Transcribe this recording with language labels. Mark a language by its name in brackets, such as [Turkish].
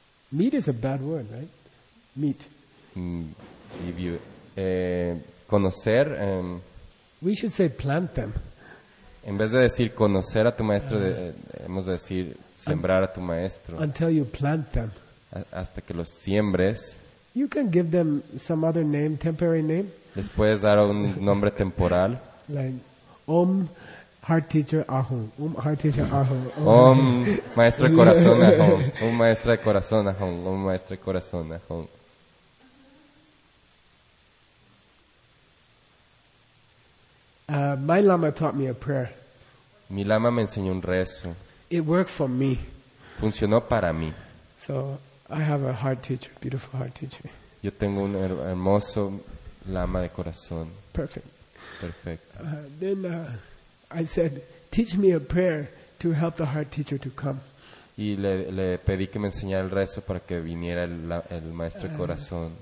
[English] Meet is a bad word, right? Meet. If you, conocer. We should say plant them. [Spanish] En vez de decir conocer a tu maestro, hemos de decir sembrar a tu maestro. [English] Until you plant them. [Spanish] Hasta que los siembres. [English] You can give them some other name, temporary name. [Spanish] Les puedes dar un nombre temporal. [English] Like, Heart Teacher Ahom. Heart Teacher Ahom. [Spanish] Maestro de corazón Ahom. Maestro de corazón Ahom. Maestro de corazón Ahom. [English] My lama taught me a prayer. [Spanish] Mi lama me enseñó un rezo. [English] It worked for me. [Spanish] Funcionó para mí. [English] So I have a heart teacher, beautiful heart teacher. [Spanish] Yo tengo un hermoso lama de corazón. [English] Perfect. [Spanish] Perfecto. [English] Then I said, teach me a prayer to help the heart teacher to come. [Spanish] Y le pedí que me enseñara el rezo para que viniera el maestro de corazón.